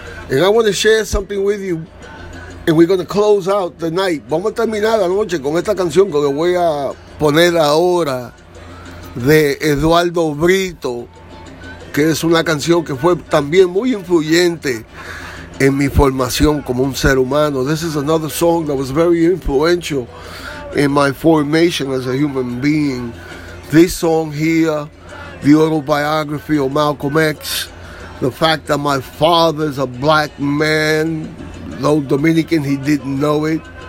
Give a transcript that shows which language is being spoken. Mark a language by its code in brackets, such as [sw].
[en] And I want to share something with you. And we're going to close out the night. [es] Vamos a terminar la noche con esta canción que le voy a poner ahora, de Eduardo Brito, que es una canción que fue también muy influyente en mi formación como un ser humano. [en] This is another song that was very influential in my formation as a human being. This song here, the autobiography of Malcolm X, the fact that my father is a black man, though Dominican, he didn't know it.